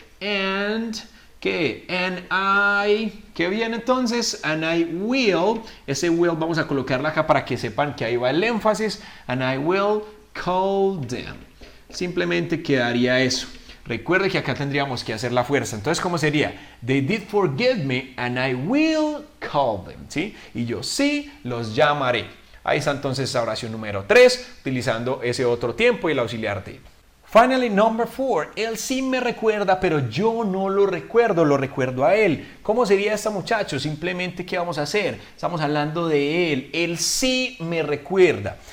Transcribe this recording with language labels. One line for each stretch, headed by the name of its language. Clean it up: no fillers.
Spanish: And, ¿qué?
English: And I,
Spanish: ¿qué viene entonces?
English: And I will,
Spanish: ese will vamos a colocarlo acá para que sepan que ahí va el énfasis.
English: And I will call them.
Spanish: Simplemente quedaría eso. Recuerde que acá tendríamos que hacer la fuerza. Entonces, ¿cómo sería?
English: They did forgive me and I will call them.
Spanish: ¿Sí? Y yo sí los llamaré. Ahí está entonces la oración número 3, utilizando ese otro tiempo y el auxiliar did.
English: Finally, number 4.
Spanish: Él sí me recuerda, pero yo no lo recuerdo. Lo recuerdo a él. ¿Cómo sería este muchacho? Simplemente, ¿qué vamos a hacer? Estamos hablando de él. Él sí me recuerda.